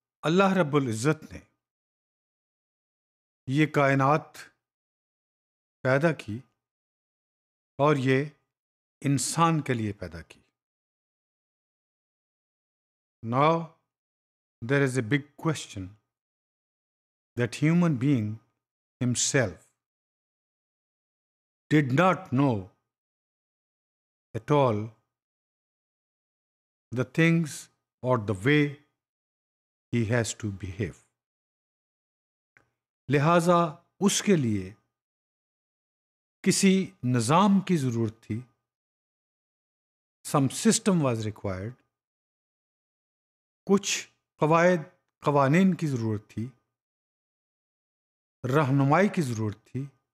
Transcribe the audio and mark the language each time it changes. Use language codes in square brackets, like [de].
[ur] اللہ رب العزت نے یہ کائنات پیدا کی اور یہ انسان کے لیے پیدا کی. [en] Now, there is a big question that human being himself did not know at all the things or the way he has to behave. [ur] لہٰذا اس کے لیے کسی نظام کی ضرورت تھی. [en] Some system was required. [ur] کچھ قواعد قوانین کی ضرورت تھی, رہنمائی کی ضرورت تھی.